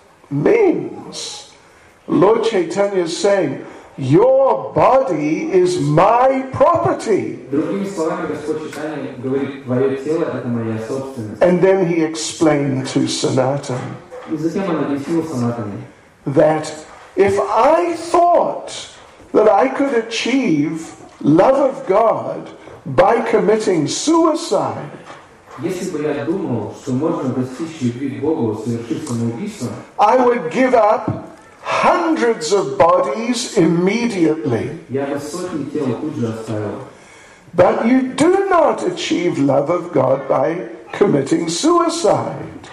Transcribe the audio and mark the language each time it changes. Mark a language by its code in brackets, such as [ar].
[en] Means Lord Chaitanya is saying, your body is my property. [ru] Другими словами, Господь Читания говорит, твое тело – это моя собственность. [en] And then he explained to Sanatan, [ru] и затем он объяснил Санатану, [en] that if I thought that I could achieve love of God by committing suicide, [ru] если бы я думал, что можно достичь любви к Богу, совершив самоубийство, [en] I would give up hundreds of bodies immediately. But you do not achieve love of God by committing suicide.